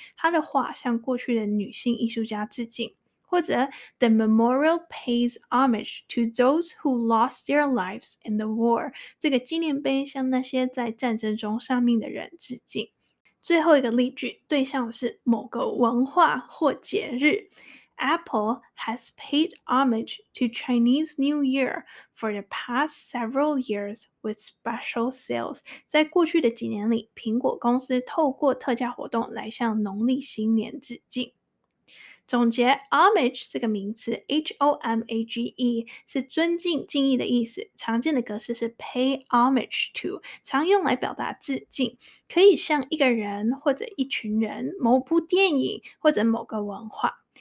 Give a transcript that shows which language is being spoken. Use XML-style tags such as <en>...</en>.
<zh>她的画向过去的女性艺术家致敬，或者</zh> <en>，The memorial pays homage to those who lost their lives in the war。</en> <zh>这个纪念碑向那些在战争中丧命的人致敬。最后一个例句，对象是某个文化或节日。</zh> <en>Apple has paid homage to Chinese New Year for the past several years with special sales.</en> <zh>在过去的几年里，苹果公司透过特价活动来向农历新年致敬。总结 homage 这个名词 H-O-M-A-G-E 是尊敬敬意的意思，常见的格式是 pay homage to， 常用来表达致敬，可以向一个人或者一群人、某部电影或者某个文化。</zh>